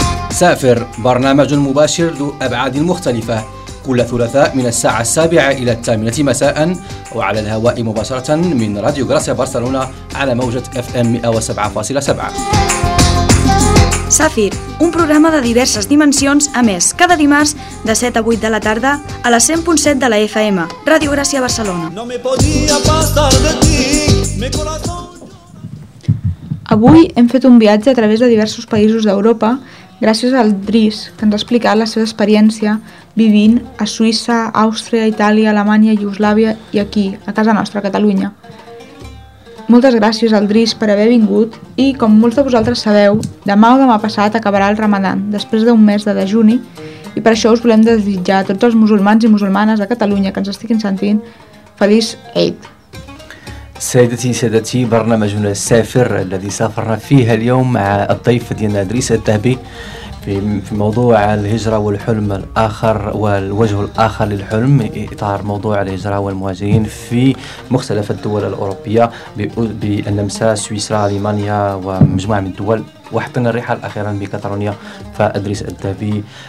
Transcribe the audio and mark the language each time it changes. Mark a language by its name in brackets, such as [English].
[Arabic] سافر برنامج مباشر ذو أبعاد مختلفة كل ثلاثاء من الساعة السابعة إلى الثامنة مساء وعلى الهواء مباشرة من راديو غراسيا برشلونة على موجة FM 107.7. [Catalan] سافر un programa de diverses dimensions a més cada dimarts de 7 a 8 de la tarda a la 100.7 de la FM Radio Gràcia Barcelona. [Spanish] No me podía pasar de ti, mi corazón. [Catalan] Avui hem fet un viatge a través de diversos països d'Europa gràcies al Dris, que ens ha explicat la seva experiència vivint a Suïssa, Àustria, Itàlia, Alemanya, Iugoslàvia i aquí, a casa nostra, a Catalunya. Moltes gràcies al Dris per haver vingut i, com molts de vosaltres sabeu, demà o demà passat acabarà el Ramadan, després d'un mes de dejuni, i per això us volem desitjar a tots els musulmans i musulmanes de Catalunya que ens estiguin sentint feliç Eid. [Arabic] سيدتي سيدتي برنامجنا السافر الذي سافرنا فيه اليوم مع الضيف ديالنا إدريس الذهبي في موضوع الهجرة والحلم الآخر والوجه الآخر للحلم إطار موضوع الهجرة والمهاجرين في مختلف الدول الأوروبية بالنمسا سويسرا ألمانيا ومجموعة من الدول وحطنا الرحلة أخيرا بكاترونيا فإدريس الذهبي